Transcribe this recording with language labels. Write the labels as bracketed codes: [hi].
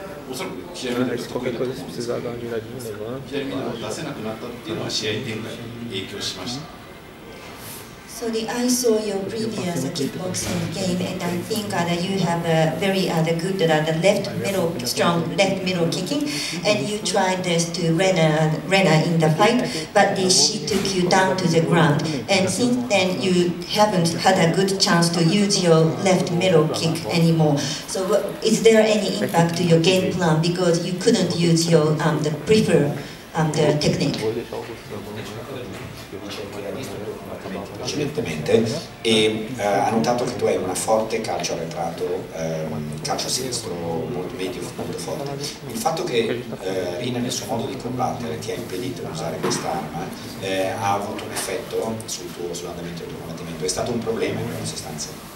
[ja] おそらく左ミドルが得意だと思うんですけど左ミドルを出せなくなったっていうのは試合展開に影響しました。 [en] So the, I saw your previous kickboxing game and I think that you have a very good the left middle, strong left middle kicking and you tried this to Rena in the fight but she took you down to the ground and since then you haven't had a good chance to use your left middle kick anymore. So is there any impact to your game plan because you couldn't use your the technique? [it] Precedentemente e ha notato che tu hai una forte calcio arretrato, calcio sinistro molto medio, molto forte. Il fatto che Rina nel suo modo di combattere ti ha impedito di usare quest'arma ha avuto un effetto sul tuo sull'andamento del tuo combattimento? È stato un problema in una sostanza?